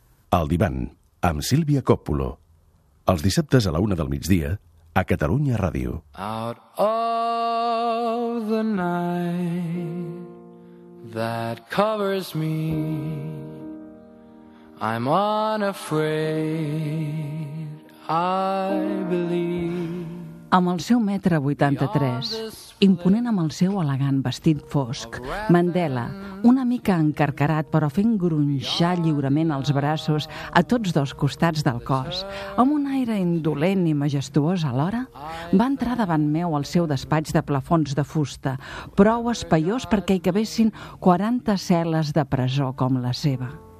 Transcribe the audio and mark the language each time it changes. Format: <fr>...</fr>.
<ca>El divan amb Sílvia Coppolo, els dissabtes a la una del migdia, a Catalunya Ràdio.</ca> <en>Out of the night that covers me, I'm unafraid, I believe.</en> <ca>Amb el seu 1,83 m, imponent amb el seu elegant vestit fosc, Mandela, una mica encarcarat però fent gronxar lliurement els braços a tots dos costats del cos, amb un aire indolent i majestuós alhora, va entrar davant meu al seu despatx de plafons de fusta, prou espaiós perquè hi cabessin 40 cel·les de presó com la seva.</ca>